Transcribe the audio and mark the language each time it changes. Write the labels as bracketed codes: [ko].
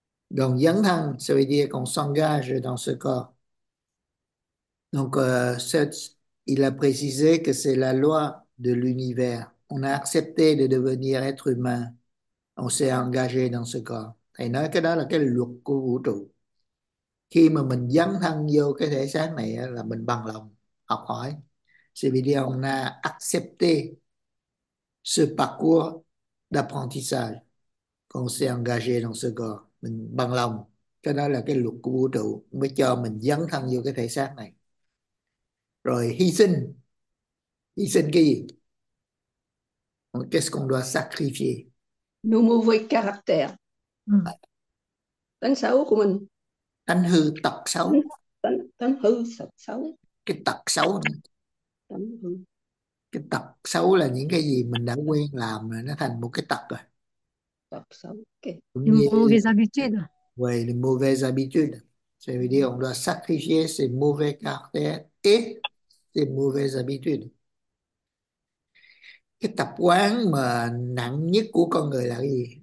[fr] Donc dấn thân ça veut dire qu'on s'engage dans ce corps. Donc il a précisé que c'est la loi de l'univers. On a accepté de devenir être humain. On s'est engagé dans ce corps. [vi] Thầy nói cái đó là cái luật của vũ trụ. Khi mà mình dấn thân vô cái thể xác này là mình bằng lòng học hỏi. [fr] C'est vì on a accepté ce parcours d'apprentissage. On s'est engagé dans ce corps. [vi] Mình bằng lòng. Cái đó là cái luật của vũ trụ mới cho mình dấn thân vô cái thể xác này. Rồi hy sinh. Hy sinh cái gì? [fr] Qu'est-ce qu'on doit sacrifier? Nos mauvais caractères. [vi] Tánh xấu của mình. Tánh hư tật xấu. Tánh hư tật xấu. Cái tật xấu này. Tánh hư. Cái tật xấu là những cái gì mình đã quen làm rồi nó thành một cái tật rồi. Tật xấu. Okay. Cũng [fr] Les [vi] như [fr] mauvaises habitudes. Ouais, les mauvaises habitudes. Ça veut dire on doit sacrifier ses mauvais caractères et ses mauvaises habitudes. [vi] Cái tập quán mà nặng nhất của con người là cái gì?